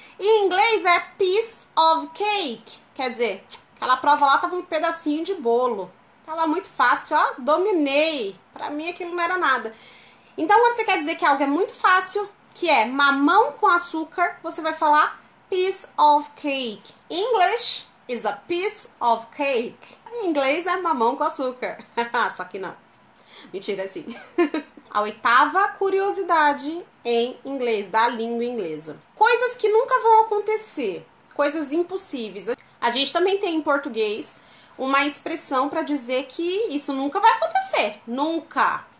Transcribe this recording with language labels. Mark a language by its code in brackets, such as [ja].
[pt] E em inglês é piece of cake. Quer dizer, aquela prova lá tava um pedacinho de bolo. Tava muito fácil, ó, dominei. Para mim aquilo não era nada. Então quando você quer dizer que algo é muito fácil, que é mamão com açúcar, você vai falar piece of cake. [en] English is a piece of cake. [pt] Em inglês é mamão com açúcar. Só que não. Mentira, sim. A oitava curiosidade em inglês, da língua inglesa. Coisas que nunca vão acontecer. Coisas impossíveis. A gente também tem em português uma expressão para dizer que isso nunca vai acontecer. Nunca.